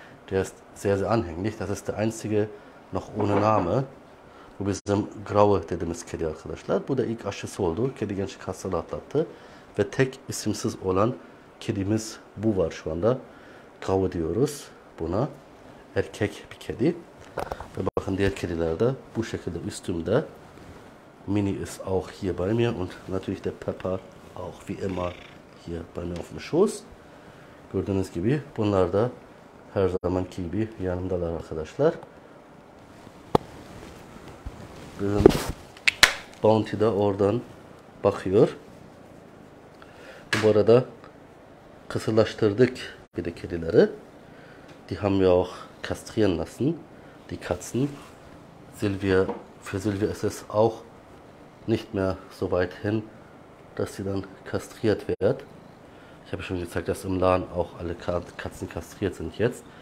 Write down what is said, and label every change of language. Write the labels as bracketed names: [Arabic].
[German] Der ist sehr, sehr anhänglich. Das ist der einzige noch ohne Name. [Turkish] Bu bizim Graue dediğimiz kedi arkadaşlar. Bu da ilk aşısı oldu. Kedi gençlik hastalığı atlattı. Ve tek isimsiz olan kedimiz bu var şu anda. Graue diyoruz buna. Erkek bir kedi. Ve bakın diğer kediler de bu şekilde üstümde. [German] Mini ist auch hier bei mir und natürlich der Pepper auch wie immer hier bei mir auf dem Schoß. [Turkish] Gördüğünüz gibi bunlar da her zamanki gibi yanımdalar arkadaşlar. Bizim Bounty de oradan bakıyor. Bu arada kısırlaştırdık bir de kedileri. [German] Die haben wir auch kastrieren lassen, die Katzen. Für Silvia ist es auch nicht mehr so weit hin, dass sie dann kastriert wird. Ich habe schon gezeigt, dass im Laden auch alle Katzen kastriert sind jetzt.